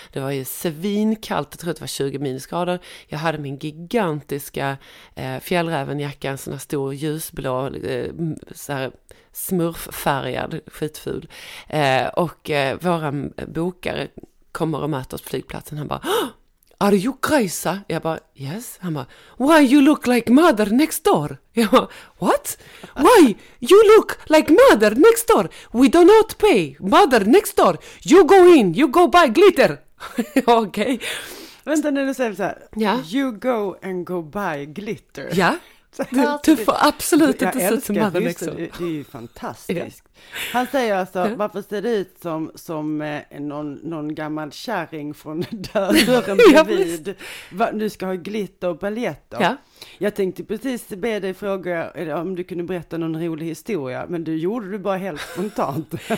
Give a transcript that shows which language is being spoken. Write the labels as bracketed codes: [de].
[sv] Det var ju svinkallt. Jag tror det var 20 minusgrader. Jag hade min gigantiska fjällrävenjacka. En sån här stor ljusblå så här smurffärgad skitful. Och våra bokare kommer och möter oss på flygplatsen. Han bara: [en] "Are you crazy?" [sv] Jag bara: "Yes." Han bara: [en] "Why you look like mother next door?" [sv] Jag bara: [en] "What? Why you look like mother next door? We do not pay. Mother next door. You go in. You go buy glitter." Okej. Okay. [sv] Vänta, när du säger så här: ja. [en] "You go and go buy glitter." [sv] Ja. Du får absolut inte se ut som [en] mother next door. [sv] Det är ju fantastiskt. Han säger alltså: "Varför ser det ut som någon gammal kärring från dörren bredvid? Nu ska ha glitter och paljetter." Ja. Jag tänkte precis be dig fråga om du kunde berätta någon rolig historia, men du gjorde det bara helt spontant.